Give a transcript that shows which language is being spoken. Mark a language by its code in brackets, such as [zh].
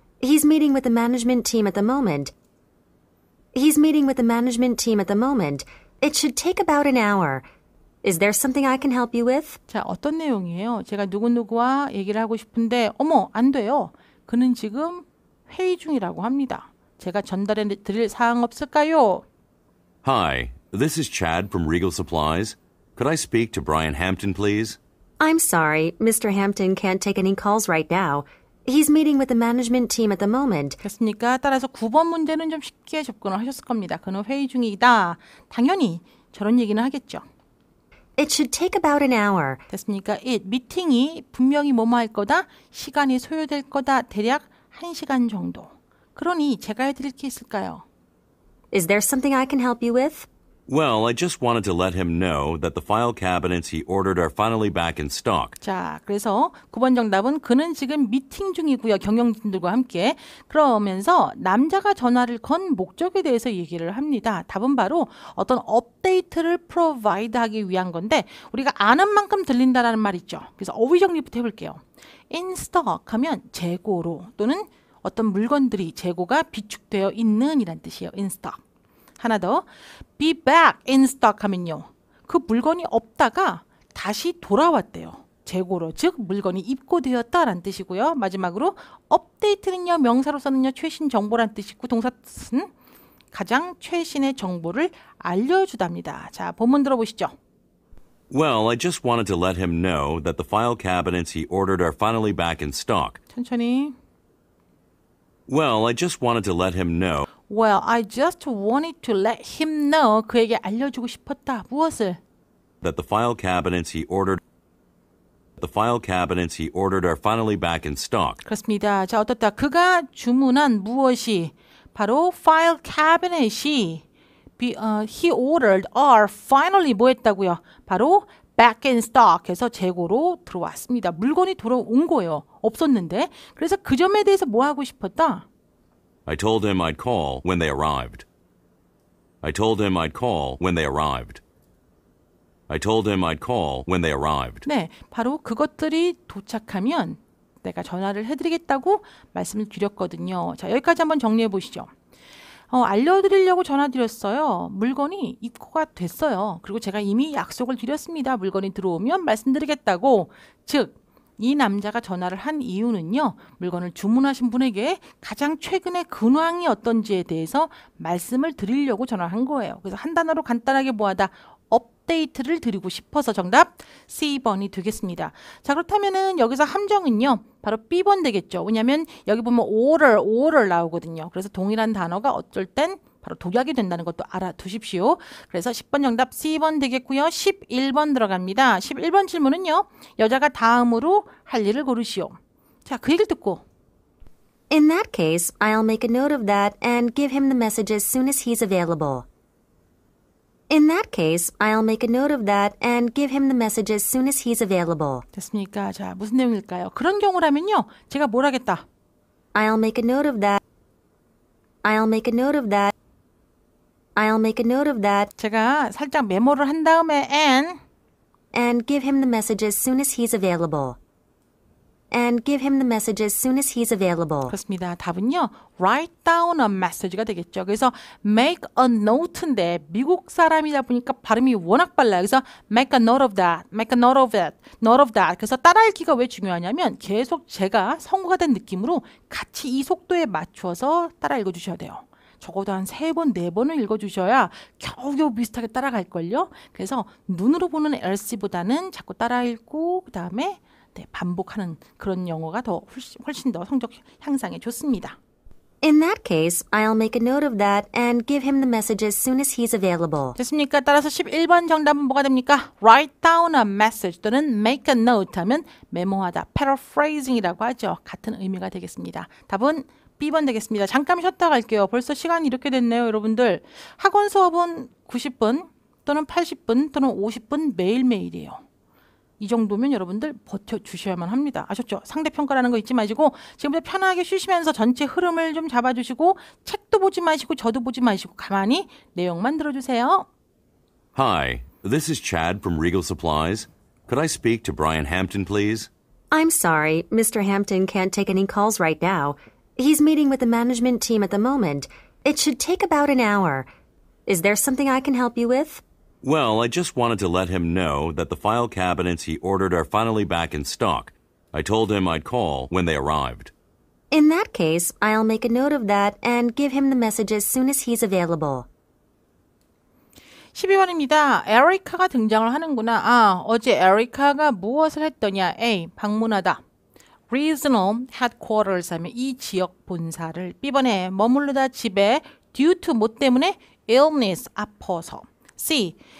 [en] He's meeting with the management team at the moment. He's meeting with the management team at the moment. It should take about an hour. Is there something I can help you with? [ko] 자, 어떤 내용이에요? 제가 누구누구와 얘기를 하고 싶은데, 어머, 안 돼요. 그는 지금 회의 중이라고 합니다. 제가 전달해 드릴 사항 없을까요? [en] Hi, this is Chad from Regal Supplies. Could I speak to Brian Hampton, please? I'm sorry, Mr. Hampton can't take any calls right now. He's meeting with the management team at the moment. [ko] 됐습니까? 따라서 9번 문제는 좀 쉽게 접근을 하셨을 겁니다. 그는 회의 중이다. 당연히 저런 얘기는 하겠죠. [en] It should take about an hour. [ko] 됐습니까? It, 미팅이 분명히 뭐뭐 할 거다. 시간이 소요될 거다. 대략 1시간 정도. 그러니 제가 해드릴 게 있을까요? [en] Is there something I can help you with? Well, I just wanted to let him know that the file cabinets he ordered are finally back in stock. [ko] 자, 그래서 9번 정답은 그는 지금 미팅 중이고요. 경영진들과 함께. 그러면서 남자가 전화를 건 목적에 대해서 얘기를 합니다. 답은 바로 어떤 업데이트를 프로바이드 하기 위한 건데, 우리가 아는 만큼 들린다라는 말 있죠. 그래서 어휘 정리부터 해볼게요. In stock 하면 재고로, 또는 어떤 물건들이 재고가 비축되어 있는이란 뜻이에요. In stock. 하나 더, be back in stock 하면요. 그 물건이 없다가 다시 돌아왔대요. 재고로, 즉 물건이 입고되었다라는 뜻이고요. 마지막으로, update는요, 명사로서는요, 최신 정보란 뜻이고, 동사는 가장 최신의 정보를 알려주답니다. 자, 본문 들어보시죠. [en] Well, I just wanted to let him know that the file cabinets he ordered are finally back in stock. [ko] 천천히. [en] Well, I just wanted to let him know. Well, I just wanted to let him know. [ko] 그에게 알려주고 싶었다. 무엇을? [en] That the file cabinets he ordered. The file cabinets he ordered are finally back in stock. [ko] 그렇습니다. 자, 어떻다. 그가 주문한 무엇이? 바로 [en] file cabinets이 he ordered are finally [ko] 뭐했다고요? 바로 back in stock 해서 재고로 들어왔습니다. 물건이 돌아온 거예요. 없었는데. 그래서 그 점에 대해서 뭐 하고 싶었다? [en] I told him I'd call when they arrived. I told him I'd call when they arrived. I told him I'd call when they arrived. [ko] 네, 바로 그것들이 도착하면 내가 전화를 해드리겠다고 말씀을 드렸거든요. 자, 여기까지 한번 정리해 보시죠. 알려드리려고 전화드렸어요. 물건이 입고가 됐어요. 그리고 제가 이미 약속을 드렸습니다. 물건이 들어오면 말씀드리겠다고. 즉, 이 남자가 전화를 한 이유는요. 물건을 주문하신 분에게 가장 최근의 근황이 어떤지에 대해서 말씀을 드리려고 전화한 거예요. 그래서 한 단어로 간단하게 뭐하다? 업데이트를 드리고 싶어서 정답 C번이 되겠습니다. 자, 그렇다면은 여기서 함정은요. 바로 B번 되겠죠. 왜냐하면 여기 보면 order 나오거든요. 그래서 동일한 단어가 어쩔 땐 바로 독약이 된다는 것도 알아두십시오. 그래서 10번 정답 C번 되겠고요. 11번 들어갑니다. 11번 질문은요. 여자가 다음으로 할 일을 고르시오. 자, 그 얘기를 듣고. [en] In that case, I'll make a note of that and give him the message as soon as he's available. In that case, I'll make a note of that and give him the message as soon as he's available. [ko] 됐습니까? 자, 무슨 내용일까요? 그런 경우라면요. 제가 뭘 하겠다. [en] I'll make a note of that. I'll make a note of that. I'll make a note of that. [ko] 제가 살짝 메모를 한 다음에 [en] and give him the message as soon as he's available. And give him the message as soon as he's available. [ko] 그렇습니다. 답은요. [en] Write down a message [ko] 가 되겠죠. 그래서 make a note인데 미국 사람이다 보니까 발음이 워낙 빨라요. 그래서 [en] make a note of that. Make a note of it. Note of that. [ko] 그래서 따라 읽기가 왜 중요하냐면 계속 제가 성우가 된 느낌으로 같이 이 속도에 맞춰서 따라 읽어주셔야 돼요. 적어도 한 세 번, 네 번을 읽어주셔야 겨우겨우 비슷하게 따라갈걸요. 그래서 눈으로 보는 LC보다는 자꾸 따라 읽고 그다음에 네, 반복하는 그런 영어가 더 훨씬 더 성적 향상에 좋습니다. [en] In that case, I'll make a note of that and give him the message as soon as he's available. [ko] 됐습니까? 따라서 11번 정답은 뭐가 됩니까? [en] Write down a message [ko] 또는 make a note 하면 메모하다, paraphrasing이라고 하죠. 같은 의미가 되겠습니다. 답은 B번 되겠습니다. 잠깐 쉬었다 갈게요. 벌써 시간이 이렇게 됐네요, 여러분들. 학원 수업은 90분 또는 80분 또는 50분 매일매일이에요. 이 정도면 여러분들 버텨주셔야만 합니다. 아셨죠? 상대평가라는 거 잊지 마시고 지금부터 편하게 쉬시면서 전체 흐름을 좀 잡아주시고 책도 보지 마시고 저도 보지 마시고 가만히 내용만 들어주세요. [en] Hi, this is Chad from Regal Supplies. Could I speak to Brian Hampton, please? I'm sorry, Mr. Hampton can't take any calls right now. He's meeting with the management team at the moment. It should take about an hour. Is there something I can help you with? Well, I just wanted to let him know that the file cabinets he ordered are finally back in stock. I told him I'd call when they arrived. In that case, I'll make a note of that and give him the message as soon as he's available. [ko] 12번입니다. 에리카가 등장을 하는구나. 아, 어제 에리카가 무엇을 했더냐? A. 방문하다. Regional headquarters 하면 이 지역 본사를. B번에 머무르다 집에 due to 뭐 때문에 illness 아파서. C.